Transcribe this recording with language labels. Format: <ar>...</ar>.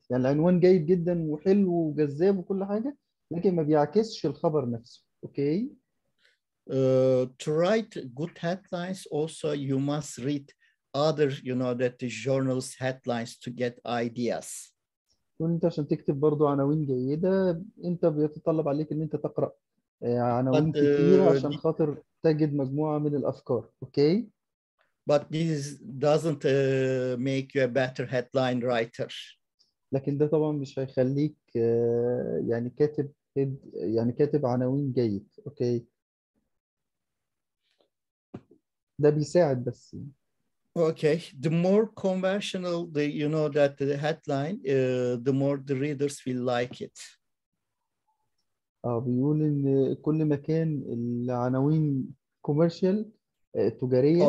<ar>يعني العنوان جيد جدا وحلو وجذاب وكل حاجة، لكن ما بيعكسش الخبر نفسه. أوكي.</ar> <en>To write good headlines, also you must read other, you know, that the journals' headlines to get ideas.</en> <ar>وانت عشان تكتب برضو عناوين جيدة، انت بيتطلب عليك ان انت تقرأ عناوين</ar> <en>But</en> <ar>كتير عشان خاطر تجد مجموعة من الأفكار. أوكي.</ar> <en>this doesn't make you a better headline writer.</en> <ar>لكن ده طبعا مش هيخليك يعني كاتب يعني كاتب عناوين جيد. أوكي، ده بيساعد بس.</ar> <en>Okay, the more conventional the, you know, that the headline, the more the readers will like it.</en> <ar>بيقول ان كل ما كان العناوين كوميرشال تجارية.</ar>